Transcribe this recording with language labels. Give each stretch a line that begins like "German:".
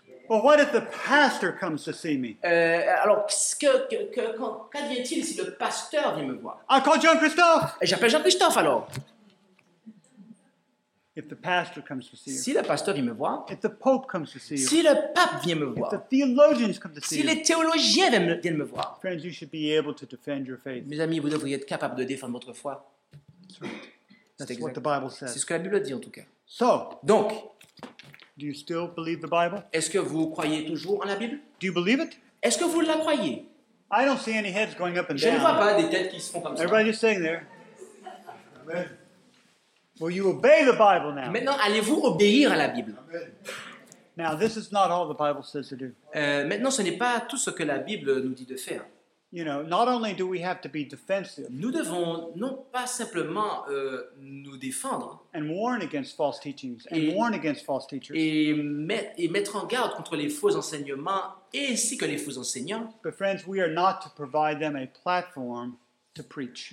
English: Well, what if the pastor comes to see me?
French: Alors, qu'advient-il si le pasteur vient me voir?
English: I'll call Jean-Christophe.
French: J'appelle Jean-Christophe alors.
English: If the pastor comes to see you.
French: Si le pasteur vient me voir.
English: If the pope comes to see you.
French: Si le pape vient me voir.
English: If the theologians come to see you.
French: Si les théologiens viennent me voir.
English: Friends, you should be able to defend your faith.
French: Mes amis, vous devriez être capable de défendre votre foi.
English: That's right. That's what the Bible says.
French: C'est ce que la Bible dit en tout cas.
English: So.
French: Donc.
English: Do you still believe the Bible?
French: Est-ce que vous croyez toujours en la Bible?
English: Do you believe it?
French: Est-ce que vous la croyez?
English: I don't see any heads going up and
French: je
English: down.
French: Je ne vois pas des têtes qui se font comme
English: everybody
French: ça.
English: Everybody just sitting there. Amen. Will you obey the Bible now?
French: Maintenant, allez-vous obéir à la Bible?
English: Now, this is not all the Bible says to do.
French: Maintenant, ce n'est pas tout ce que la Bible nous dit de faire.
English: You know, not only do we have to be defensive,
French: nous devons non pas simplement nous défendre,
English: and warn against false teachings, and warn against false teachers,
French: et mettre en garde contre les faux enseignements et ainsi que les faux enseignants.
English: But friends, we are not to provide them a platform to preach.